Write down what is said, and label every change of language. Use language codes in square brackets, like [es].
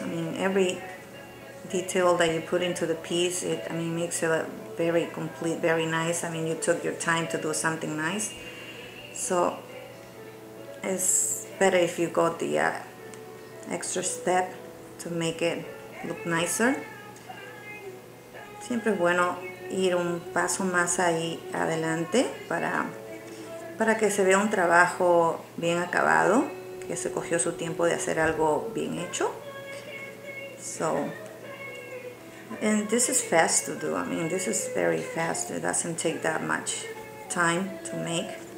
[en] I mean, every detail that you put into the piece, it makes it a very complete, very nice. I mean, you took your time to do something nice, so it's better if you go the extra step to make it look nicer. [es] Siempre es bueno ir un paso más ahí adelante para que se vea un trabajo bien acabado, que se cogió su tiempo de hacer algo bien hecho. So [en] And this is fast to do. I mean, this is very fast. It doesn't take that much time to make.